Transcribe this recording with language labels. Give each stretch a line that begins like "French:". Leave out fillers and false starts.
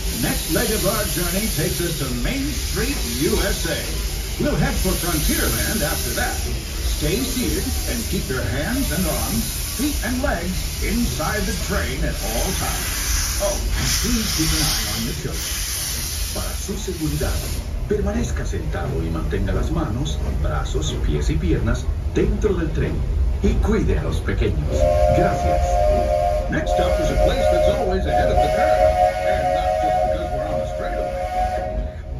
English: Next leg of our journey takes us to Main Street, USA. We'll head for Frontierland after that. Stay seated and keep your hands and arms, feet and legs inside the train at all times. Oh, and please keep an eye on the children.
Spanish: Para su seguridad, permanezca sentado y mantenga las manos, brazos, pies y piernas dentro del tren. Y cuide a los pequeños. Gracias.
English: Next up is a place that's always ahead of the curve. And not just because we're on a straightaway.